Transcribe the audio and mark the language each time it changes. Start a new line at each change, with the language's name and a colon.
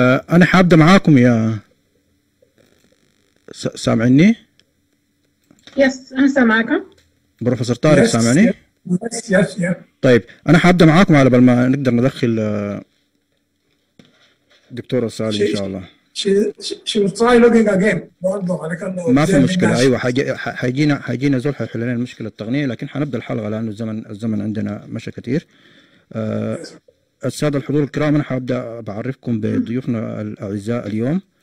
Arabic: أنا حابدأ معاكم يا سامعني؟ يس أنا سامعك. بروفيسور طارق سامعني؟
English: Yes yes yes.
Arabic: طيب أنا حابدأ معاكم على بال ما نقدر ندخل دكتورة سالي إن شاء الله.
English: She will try looking again.
Arabic: ما في مشكلة أيوة حاجينا زول حل لنا مشكلة التقنية لكن حنبدأ الحلقة لأنه الزمن عندنا مشى كتير. السادة الحضور الكرام أنا حابدأ بعرفكم بضيوفنا الأعزاء اليوم.